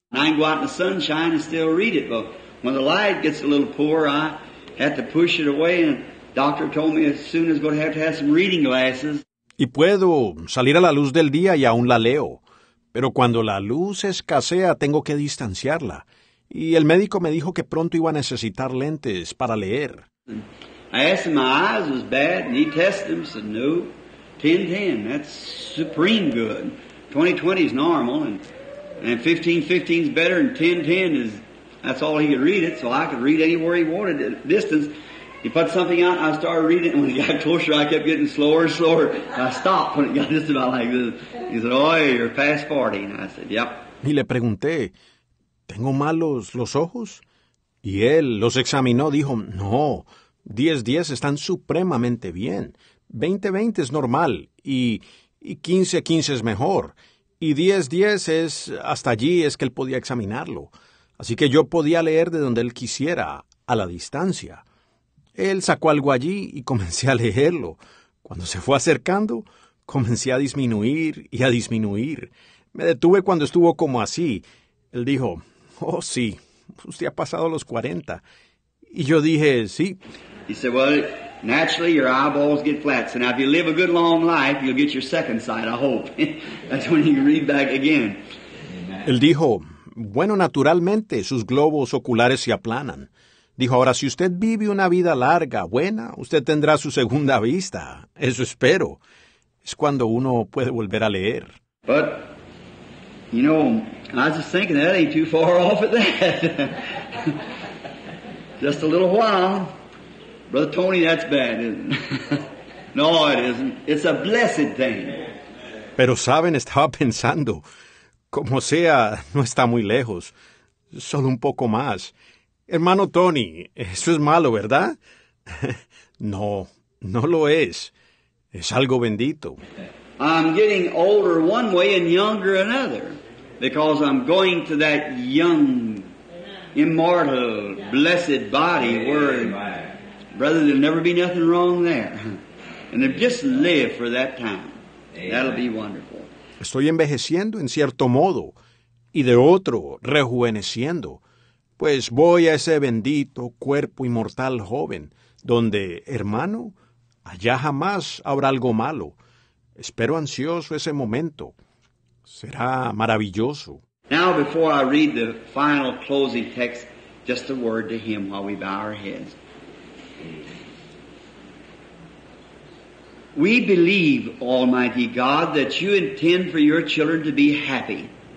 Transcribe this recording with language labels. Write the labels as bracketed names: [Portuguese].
[English] I can go out in the sunshine and still read it, but when the light gets a little poor, I have to push it away, and the doctor told me as soon as I'm going to have some reading glasses. [Spanish] Y puedo salir a la luz del día y aún la leo, pero cuando la luz escasea, tengo que distanciarla. Y el médico me dijo que pronto iba a necesitar lentes para leer. [English] I asked him, my eyes was bad, and he tested them, said, no, 10-10, that's supreme good. 20-20 is normal, and 15-15 is better, and 10-10 is, that's all he could read it, so I could read anywhere he wanted at distance. He put something out, and I started reading it, and when it got closer, I kept getting slower and slower. I stopped when it got just about like this. He said, oh, you're past 40, and I said, yep. [Spanish] Y le pregunté, ¿tengo malos los ojos? Y él los examinó, dijo, no, 10-10 están supremamente bien. 20-20 es normal, y 15-15 es mejor. Y 10-10 es, hasta allí es que él podía examinarlo. Así que yo podía leer de donde él quisiera, a la distancia. Él sacó algo allí y comencé a leerlo. Cuando se fue acercando, comencé a disminuir y a disminuir. Me detuve cuando estuvo como así. Él dijo, oh, sí, usted ha pasado los 40. Y yo dije, sí. [English] He said, well, naturally your eyeballs get flat. So now if you live a good long life, you'll get your second sight, I hope. That's when you read back again. [Spanish] Él dijo, bueno, naturalmente sus globos oculares se aplanan. Dijo, ahora si usted vive una vida larga, buena, usted tendrá su segunda vista. Eso espero. Es cuando uno puede volver a leer. [English] But, you know, I was just thinking that ain't too far off at that. Just a little while. Brother Tony, that's bad, isn't it? No, it isn't. It's a blessed thing. [Spanish] Pero saben, estaba pensando, como sea, no está muy lejos, solo un poco más. Hermano Tony, eso es malo, ¿verdad? No, no lo es. Es algo bendito. [English] I'm getting older one way and younger another, because I'm going to that young, immortal, blessed body where brother, there'll never be nothing wrong there. And if just live for that time, that'll be wonderful. [Spanish] Estoy envejeciendo en cierto modo, y de otro, rejuveneciendo. Pues voy a ese bendito cuerpo inmortal joven, donde, hermano, allá jamás habrá algo malo. Espero ansioso ese momento. Será maravilloso. [English] Now, before I read the final closing text, just a word to him while we bow our heads. We believe, Almighty God, that you intend for your children to be happy.